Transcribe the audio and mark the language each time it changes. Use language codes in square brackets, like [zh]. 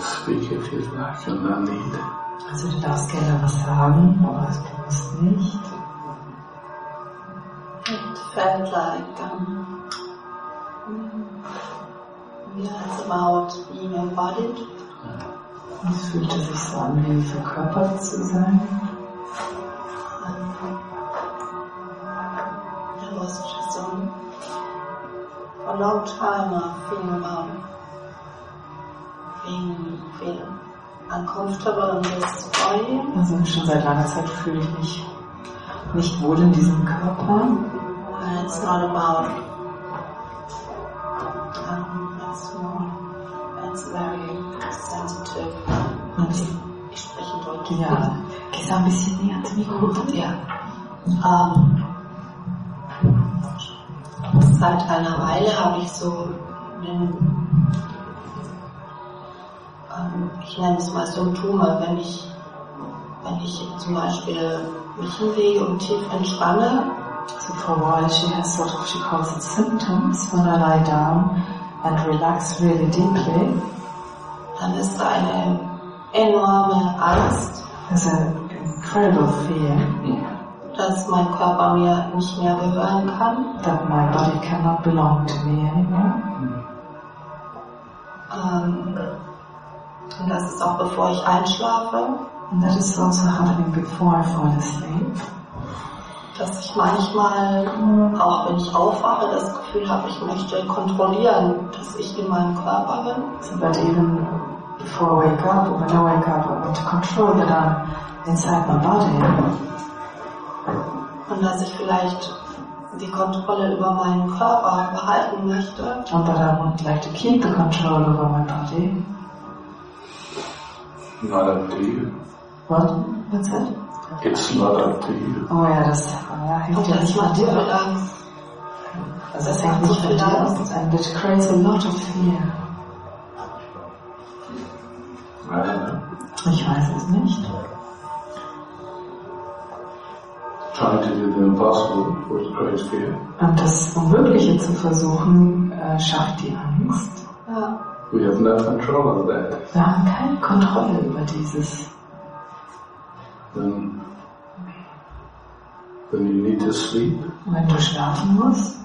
[de] Also du darfst gerne was sagen, aber es passt nicht. [en] It felt like it's about being embodied. [de] Und es fühlte sich so an, wie verkörpert zu sein. [en] It was just a long time of feeling about being uncomfortable in this body. [de] Also schon seit langer Zeit fühle ich mich nicht wohl in diesem Körper. [en] And it's not about it's more, it's very sensitive. [de] Und ich spreche Deutsch. Ja, geh so ein bisschen näher ans Mikro. Ja. Seit einer Weile habe ich so einen, ich nenne es mal Symptome, wenn ich zum Beispiel mich hinlege und tief entspanne. [en] So for a while she has sort of, she calls it symptoms, when I lie down and relax really deeply. [de] Dann ist da eine enorme Angst. [en] There's an incredible fear. [de] Dass mein Körper mir nicht mehr gehören kann. [en] That my body cannot belong to me anymore. [de] Und das ist auch bevor ich einschlafe. [en] And that is also happening before I fall asleep. [de] Dass ich manchmal, auch wenn ich aufwache, das Gefühl habe, ich möchte kontrollieren, dass ich in meinem Körper bin. [en] So that even before I wake up, or when I wake up, I want to control that I'm inside my body. [de] Und dass ich vielleicht die Kontrolle über meinen Körper behalten möchte. [en] And that I would like to keep the control over my body. Not a deal. What? What's that? It's not a deal. [de] Oh ja, das hilft ja nicht mal dir. Also es hängt nicht von dir aus. [en] And it creates a lot of fear. [de] Ich weiß es nicht. [en] Trying to do the impossible would create fear. [de] Und das Unmögliche zu versuchen, schafft die Angst. Ja. [en] We have no control over that. [de] Wir haben keine Kontrolle über dieses. [en] Then you need to sleep. [de] Wenn du schlafen musst.